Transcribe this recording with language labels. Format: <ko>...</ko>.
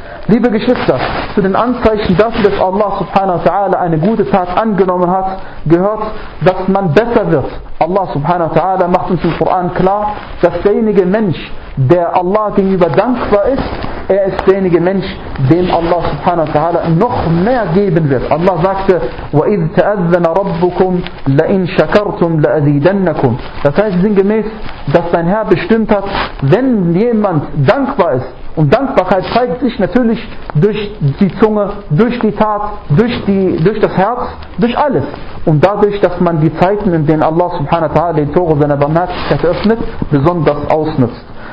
<de>Liebe Geschwister, zu den Anzeichen dafür, dass Allah subhanahu wa ta'ala eine gute Tat angenommen hat, gehört, dass man besser wird. Allah subhanahu wa ta'ala macht uns im Koran klar, dass derjenige Mensch, der Allah gegenüber dankbar ist, er ist derjenige Mensch, dem Allah subhanahu wa ta'ala noch mehr geben wird. Allah sagte,</de> <ar>وَإِذْ تَأَذَّنَ رَبُّكُمْ لَإِنْ شَكَرْتُمْ لَأَزِيدَنَّكُمْ.</ar> <de>Das heißt sinngemäß, dass dein Herr bestimmt hat, wenn jemand dankbar ist, und Dankbarkeit zeigt sich natürlich durch die Zunge, durch die Tat, durch das Herz, durch alles. Und dadurch, dass man die Zeiten, in denen Allah subhanahu wa ta'ala den Tore seiner Barmherzigkeit öffnet, besonders ausnutzt.</de>